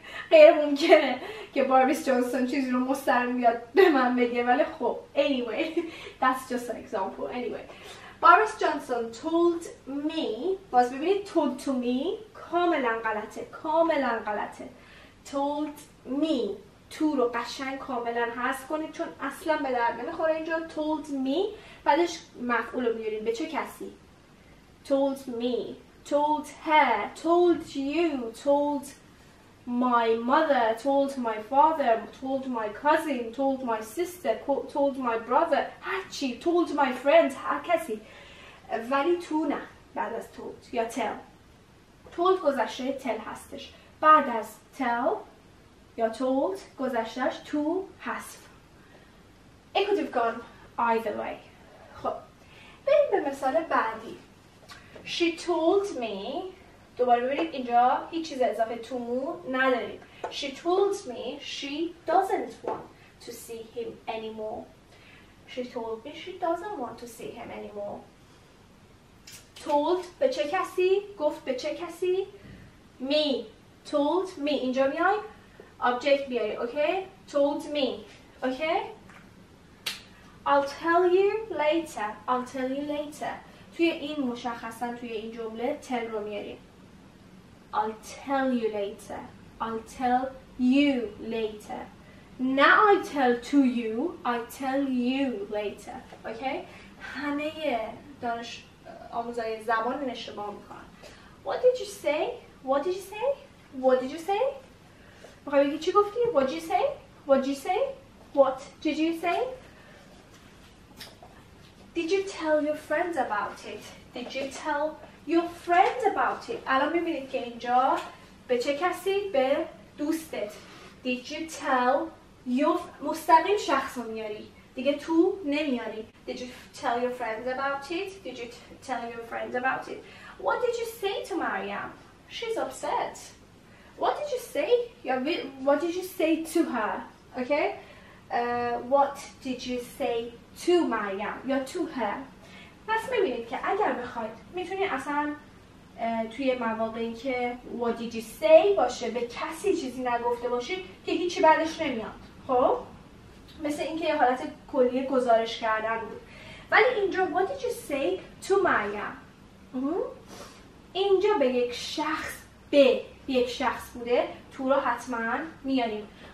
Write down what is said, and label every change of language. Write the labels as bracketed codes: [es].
[fa] غیر ممکنه که باربیس جانسون چیزی رو مسترم بیاد به من بگه، ولی خب [en] anyway that's just an example. anyway Boris Johnson told me، [fa] باز ببینید [en] told to me [fa] کاملا غلطه، کاملا غلطه. [en] told me [fa] تو رو قشنگ کاملا حذف کنید چون اصلا به درد نمیخوره اینجا. [en] told me [fa] بعدش مفعول رو میارید به چه کسی؟ [en] told me، told her، told you، told my mother، told my father، told my cousin، told my sister، told my brother، [fa] هرچی، [en] told my friend، [fa] هر کسی. ولی تو نه، بعد از told یا tell. told گذشته tell هستش، بعد از tell یا told گذشتهش تو حذف. [en] It could have gone either way. [fa] خب بریم به مثال بعدی. [en] She told me، [fa] دوباره ببینید اینجا هیچ چیز اضافه to مو نداریم. [en] She told me she doesn't want to see him anymore. She told me she doesn't want to see him anymore. [fa] Told به چه کسی؟ گفت به چه کسی؟ Me. [en] Told me. [fa] اینجا میای object بیاری. [en] Okay. Told me. Okay. I'll tell you later. I'll tell you later. [fa] توی این مشخصا توی این جمله tell رو میاریم. [en] I'll tell you later. I'll tell you later. نه I tell to you. I tell you later. Okay. [fa] همه دانش آموزای زبان این اشتباه میکنن. [en] What did you say? What did you say? What did you say? [fa] میخوای بگی چی گفتی؟ [en] What did you say? What did you say? What did you say? Did you tell your friends about it? Did you tell your friends about it? [fa] الان میبینید که اینجا به چه کسی؟ به دوستت. [en] Did you tell your... [fa] مستقیم شخص رو میاری. دیگه تو نمیاری. [en] Did you tell your friends about it? Did you tell your friends about it? What did you say to Mariam? She's upset. What did you say? What did you say to her? Okay? What did you say to Mariam? [fa] یا to her. پس میبینید که اگر بخواید میتونید اصلا توی مواقعی که [en] what did you say [fa] باشه به کسی چیزی نگفته باشید که هیچی بعدش نمیاد. خب؟ مثل اینکه یه حالت کلی گزارش کردن بود. ولی اینجا [en] what did you say to Mariam؟ [fa] اینجا به یک شخص، به یک شخص بوده، تو رو حتما میاریم.